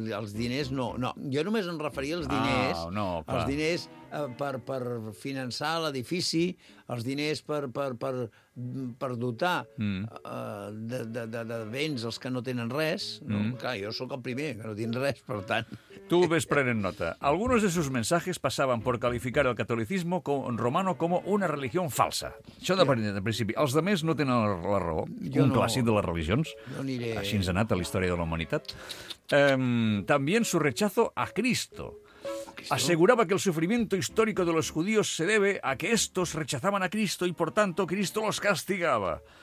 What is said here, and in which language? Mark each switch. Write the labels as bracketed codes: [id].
[ca] els diners no... No, jo només em referia als diners... Ah, no, clar. Els diners per finançar l'edifici, els diners per dotar de béns els que no tenen res. Mm. No, clar, jo sóc el primer, que no tinc res, per tant... Tu ves prenent nota. [es] Algunos de sus mensajes pasaban por calificar el catolicismo romano como una religión falsa. [ca] Això de prendre de principi. Els altres no tenen la raó. Jo un no, clàssic de les religions. No aniré... Així ens ha anat a la història de la humanitat. [es] También su rechazo a Cristo. Aseguraba que el sufrimiento histórico de los judíos se debe a que estos rechazaban a Cristo y, por tanto, Cristo los castigaba.